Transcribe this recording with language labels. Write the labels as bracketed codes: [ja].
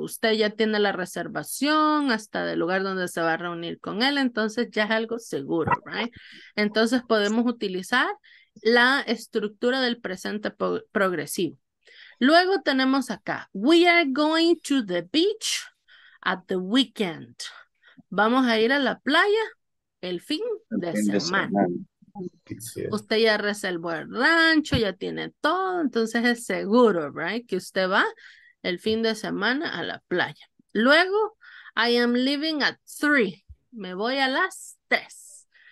[es] Usted ya tiene la reservación hasta del lugar donde se va a reunir con él. Entonces ya es algo seguro, right? Entonces podemos utilizar la estructura del presente progresivo. Luego tenemos acá. [en] We are going to the beach at the weekend. [es] Vamos a ir a la playa el fin de semana. Usted ya reservó el rancho, ya tiene todo, entonces es seguro, right, que usted va el fin de semana a la playa. Luego, [en] I am leaving at 3, [es] me voy a las 3.